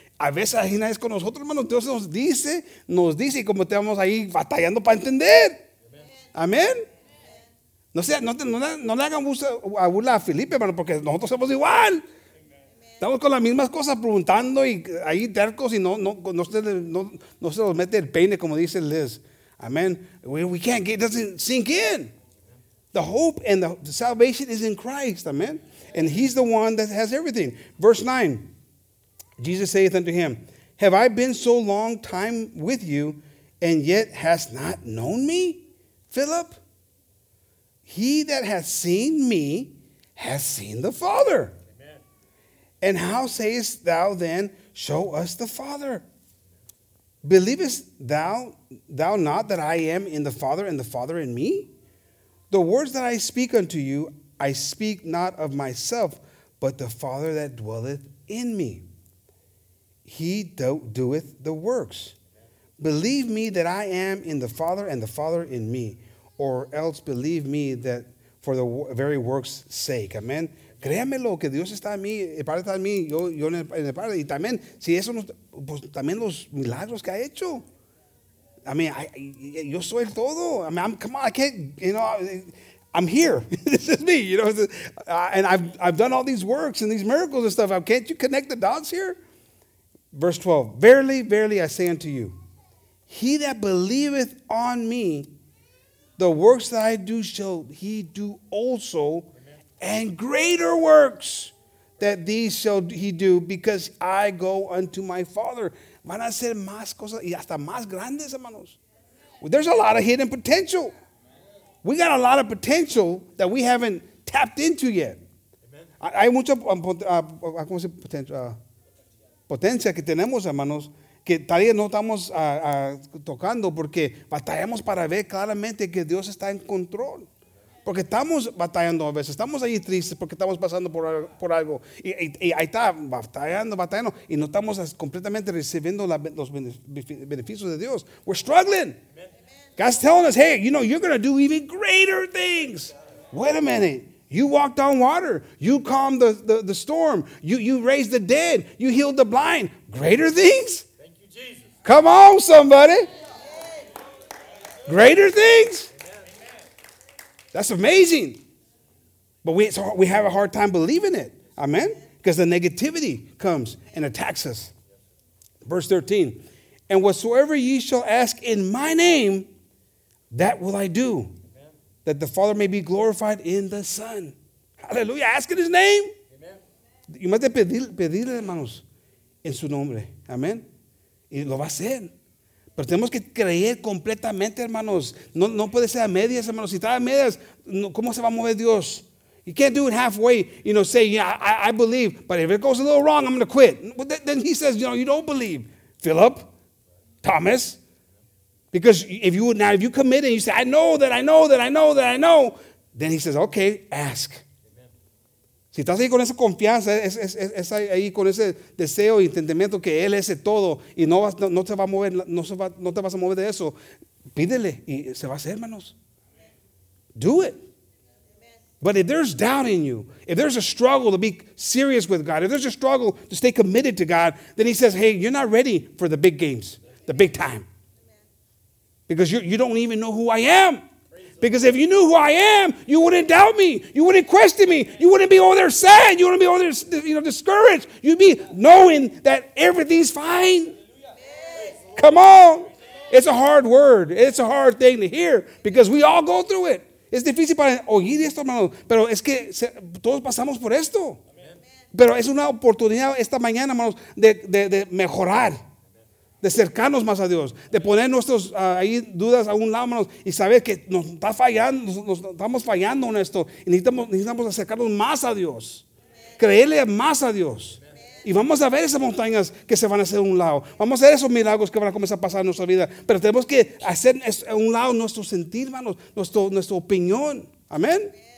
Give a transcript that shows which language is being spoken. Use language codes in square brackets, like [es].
[es] A veces ahí nadie es con nosotros, hermano. Dios nos dice, y como estamos ahí batallando para entender. Amén. No sea, no le hagan burla a Felipe, hermano, porque nosotros somos igual. Amen. Estamos con las mismas cosas preguntando y ahí tercos y no se nos mete el peine, como dice Liz. [en] Amén. We can't get, it doesn't sink in. The hope and the salvation is in Christ. Amén. And he's the one that has everything. Verse 9, Jesus saith unto him, have I been so long time with you, and yet hast not known me, Philip? He that hath seen me hath seen the Father. Amen. And how sayest thou then, show us the Father? Believest thou not that I am in the Father, and the Father in me? The words that I speak unto you, I speak not of myself, but the Father that dwelleth in me. He doeth the works. Believe me that I am in the Father and the Father in me, or else believe me that for the very works' sake. Amen. [es] Créamelo que Dios está en mí, el Padre está en mí, yo en el Padre. Y también, si eso no, pues también los milagros que ha hecho. [en] I mean, [es] yo soy el todo. [en] I mean, I'm here. This is me, you know. And I've done all these works and these miracles and stuff. Can't you connect the dots here? Verse 12. Verily, verily, I say unto you, he that believeth on me, the works that I do shall he do also, and greater works that these shall he do, because I go unto my Father. [es] Van a hacer más cosas y hasta más grandes, hermanos. [en] There's a lot of hidden potential. We got a lot of potential that we haven't tapped into yet. [es] Hay mucho potencia que tenemos, hermanos, que todavía no estamos tocando porque batallamos para ver claramente que Dios está en control. Porque estamos batallando a veces, estamos ahí tristes porque estamos pasando por algo. Y ahí está batallando y no estamos completamente recibiendo los beneficios de Dios. [en] We're struggling. God's telling us, hey, you know, you're going to do even greater things. Wait a minute. You walked on water. You calmed the storm. You raised the dead. You healed the blind. Greater things? Thank you, Jesus. Come on, somebody. Amen. Greater things? Amen. That's amazing. But we have a hard time believing it. Amen? Because the negativity comes and attacks us. Verse 13. And whatsoever ye shall ask in my name, that will I do, amen, that the Father may be glorified in the Son. Hallelujah. Ask in his name. Amen. You must [es] pedirle, hermanos, en su nombre. Amen. Y lo va a hacer. Pero tenemos que creer completamente, hermanos. No puede ser a medias, hermanos. Si está a medias, ¿cómo se va a mover Dios? [en] You can't do it halfway, you know, say, yeah, I believe, but if it goes a little wrong, I'm going to quit. But then he says, you know, you don't believe. Philip, Thomas, because if you committed and you say, I know that, I know that, I know that, I know, Then he says, okay, ask. [es] Si estás ahí con esa confianza, es ahí con ese deseo y entendimiento que Él es todo y no te va a mover, no te vas a mover de eso, pídele y se va a hacer, hermanos. [en] Do it. But if there's doubt in you, if there's a struggle to be serious with God, if there's a struggle to stay committed to God, then He says, hey, you're not ready for the big games, the big time. Because you don't even know who I am. Because if you knew who I am, you wouldn't doubt me. You wouldn't question me. You wouldn't be over there sad. You wouldn't be over there, you know, discouraged. You'd be knowing that everything's fine. Come on. It's a hard word. It's a hard thing to hear because we all go through it. [es] Es difícil para oír esto, hermano. Pero es que todos pasamos por esto. Pero es una oportunidad esta mañana, hermanos, de mejorar. De acercarnos más a Dios, de poner nuestros ahí dudas a un lado, hermanos, y saber que nos está fallando, nos estamos fallando en esto, y necesitamos acercarnos más a Dios, creerle más a Dios, y vamos a ver esas montañas que se van a hacer a un lado, vamos a ver esos milagros que van a comenzar a pasar en nuestra vida, pero tenemos que hacer a un lado nuestro sentir, hermanos, nuestra opinión, amén.